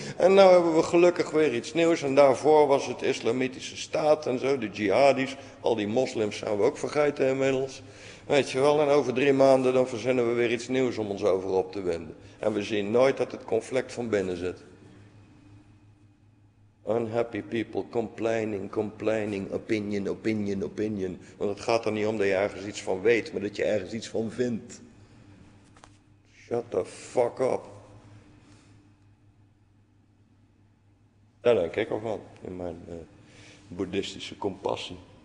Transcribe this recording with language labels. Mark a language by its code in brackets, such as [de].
[nl] En nou hebben we gelukkig weer iets nieuws. En daarvoor was het Islamitische Staat en zo. De jihadis. Al die moslims zijn we ook vergeten inmiddels. Weet je wel, en over 3 maanden dan verzinnen we weer iets nieuws om ons over op te wenden. En we zien nooit dat het conflict van binnen zit. [en] Unhappy people complaining, opinion. [nl] Want het gaat er niet om dat je ergens iets van weet, maar dat je ergens iets van vindt. [en] Shut the fuck up. [nl] Daar denk ik al van, in mijn boeddhistische compassie.